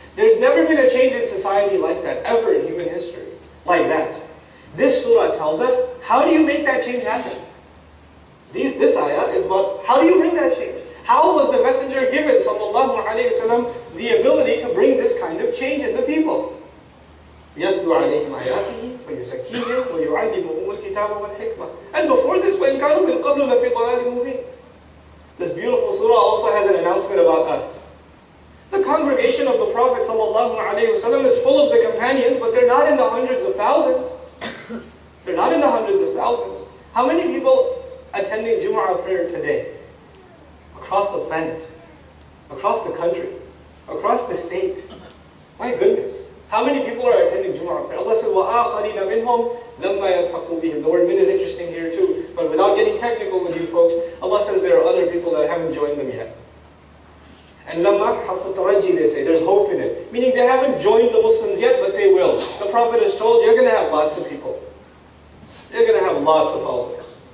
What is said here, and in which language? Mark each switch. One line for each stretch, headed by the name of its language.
English: There's never been a change in society like that, ever in human history, like that. This surah tells us, how do you make that change happen? This ayah is about, how do you bring that change? How was the Messenger given, sallallahu alayhi wa sallam, the ability to bring this kind of change in the people?
Arabic: يَتْلُوا عَلَيْهِمْ آيَاتِهِ وَيُزَكِّيهِمْ وَيُعَلِّمُهُمُ الْكِتَابَ وَالْحِكْمَةِ.
English: And before this,
Arabic: وَإِنْ كَانُوا مِنْ قَبْلُ لَفِي ضَلَالٍ مُبِينٍ.
English: This beautiful surah also has an announcement about us. The congregation of the Prophet ﷺ is full of the companions, but they're not in the hundreds of thousands. They're not in the hundreds of thousands. How many people attending Jummah prayer today? Across the planet. Across the country. Across the state. My goodness. How many people are attending Jummah prayer? Allah said,
Arabic: وَآخَرِينَ مِنْهُمْ لَمَّا يَلْحَقُوا بِهِمْ.
English: The word min is interesting here too. But without getting technical with you folks, Allah says there are other people that haven't joined them yet. And
Arabic: لَمَّا حَفُّ تَرَجِّي,
English: they say, there's hope in it. Meaning they haven't joined the Muslims yet, but they will. The Prophet is told, you're going to have lots of people. You're going to have lots of followers.